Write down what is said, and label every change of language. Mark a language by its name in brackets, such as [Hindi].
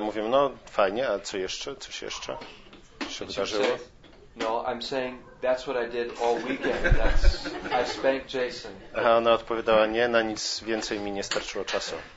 [Polish] Mówię, no fajnie, a co jeszcze? Coś jeszcze się wydarzyło? [English] No, I'm saying that's what I did all weekend. That's, I spanked Jason. [Polish] A ona odpowiadała, nie, na nic więcej mi nie starczyło czasu.